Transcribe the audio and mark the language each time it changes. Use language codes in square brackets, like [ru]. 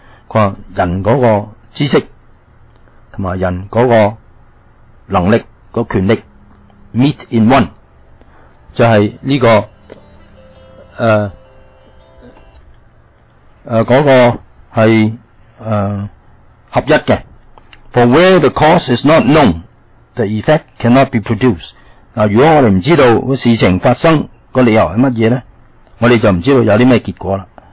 [zh] 说人那个知识和人那个能力那个权力 [en] meet in one. [zh] 就是这个那个是合一的。 [en] For where the cause is not known, the effect cannot be produced. [zh] 那如果我们不知道那事情发生的理由是什么呢，我们就不知道有什么结果了。